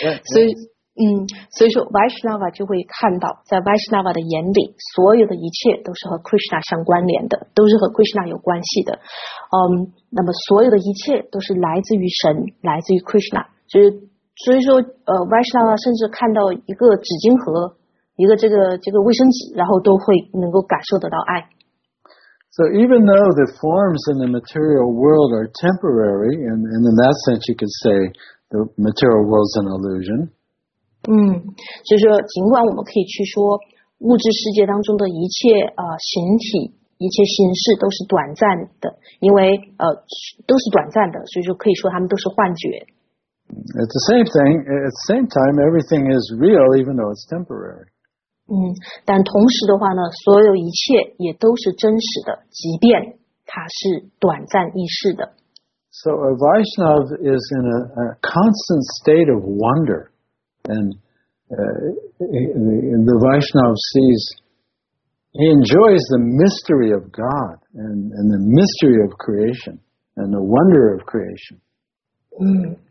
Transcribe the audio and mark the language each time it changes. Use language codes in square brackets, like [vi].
[zh] So 所以说 Vaishnava 就会看到在 Vaishnava 的眼里所有的一切都是和 Krishna 相关联的都是和 Krishna 有关系的那么所有的一切都是来自于神来自于 Krishna 所以说Vaishnava 甚至看到一个纸巾盒一个这个卫生纸然后都会能够感受得到爱 [en] So even though the forms in the material world are temporary and in that sense you could say the material world is an illusion [zh] 就是说尽管我们可以去说物质世界当中的一切形体一切形式都是短暂的因为都是短暂的所以说可以说他们都是幻觉。 [en] It's the same thing, at the same time, everything is real even though it's temporary. [zh] 但同时的话呢所有一切也都是真实的即便它是短暂一世的。 [en] So a Vaishnav is in a constant state of wonder. And the Vaishnav sees, he enjoys the mystery of God and the mystery of creation and the wonder of creation.